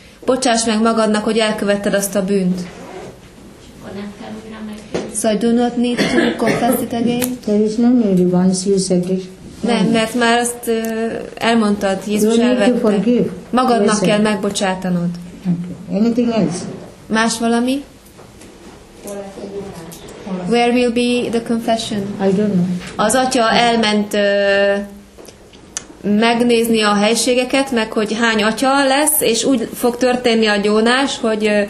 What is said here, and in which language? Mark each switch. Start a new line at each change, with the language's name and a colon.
Hungarian: Bocsáss meg magadnak, hogy elkövetted azt a bűnt.
English: So I do not need to confess it again? There is no need, once you said it.
Hungarian: Nem, mert már azt elmondtad, Jézus elvette. Magadnak kell megbocsátanod.
English: Okay. Anything else?
Hungarian: Más valami?
English: Where will be the confession? I don't know.
Hungarian: Az atya elment megnézni a helységeket, meg hogy hány atya lesz, és úgy fog történni a gyónás, hogy